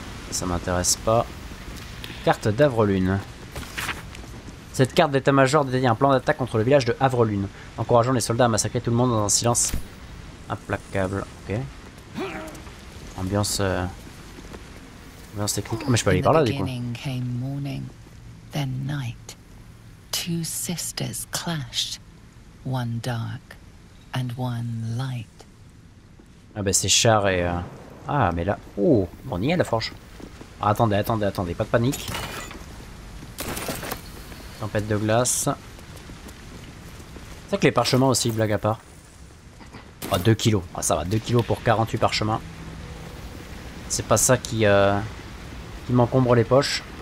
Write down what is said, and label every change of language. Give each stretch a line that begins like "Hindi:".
French: Ça m'intéresse pas. Carte d'Avrelune. Cette carte d'état-major détaille un plan d'attaque contre le village de Avrelune, encourageant les soldats à massacrer tout le monde dans un silence implacable. Ok. Ambiance, ambiance technique. Oh, mais je peux aller par là, du coup.
English: Came morning, then night. Two sisters clashed, one dark and one light.
French: Ah bah c'est char et ah mais là, oh, on y est la forge. Ah, attendez, attendez, attendez, pas de panique. Tempête de glace. C'est que les parchemins aussi, blague à part. Oh, 2 kilos, oh, ça va, 2 kilos pour 48 parchemins. C'est pas ça qui m'encombre les poches.